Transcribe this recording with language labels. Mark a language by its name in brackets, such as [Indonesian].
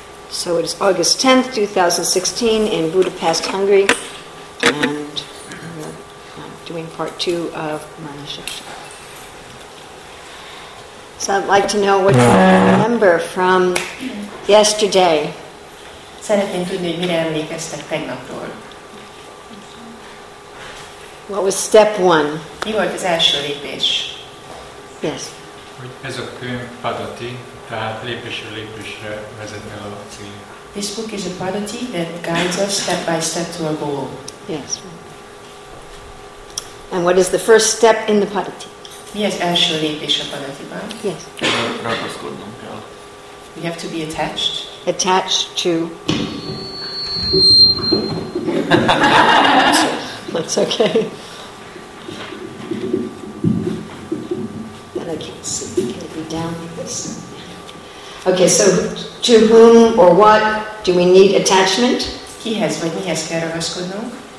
[English] So it is August 10th, 2016 in Budapest, Hungary, and I'm doing part two of Manishaksha. So I'd like to know what you remember from yesterday. [Hungarian] Szeretném tudni, hogy mire emlékeztek tegnapról. [English] What was step one? [Hungarian] Mi volt az első lépés? [English] Yes. [Hungarian] Hogy ez a könyv padati, tehát lépésről lépésre vezetne a cél. [English] This book is a padati that guides us step by step to a goal. Yes. And what is the first step in the padati? [Hungarian] Mi az első lépés a padatiban? [English] Yes. [Hungarian] Ragaszkodnom kell. [English] We have to be attached. Attached to... That's okay. But I can't see. Can it be down like this? Okay, so to whom or what do we need attachment? [Hungarian] Ki hez vagy mihez kell ragaszkodnunk?